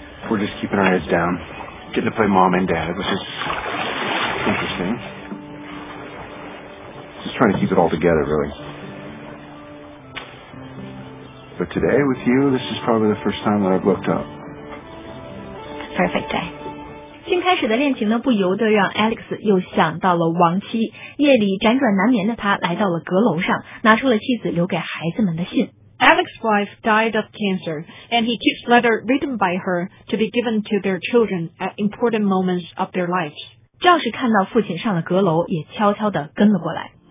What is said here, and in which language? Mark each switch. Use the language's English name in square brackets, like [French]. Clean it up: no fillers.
[English] We're just keeping our heads down, getting to play mom and dad, which is interesting. Trying to keep it all together, really. But today, with you, this is probably the first time that I've looked up. Perfect day. [Chinese] 新开始的恋情呢，不由得让 Alex 又想到了亡妻。夜里辗转难眠的他来到了阁楼上，拿出了妻子留给孩子们的信。 [English] Alex's wife died of cancer, and he keeps letter written by her to be given to their children at important moments of their lives. [Chinese] 教士看到父亲上了阁楼，也悄悄地跟了过来。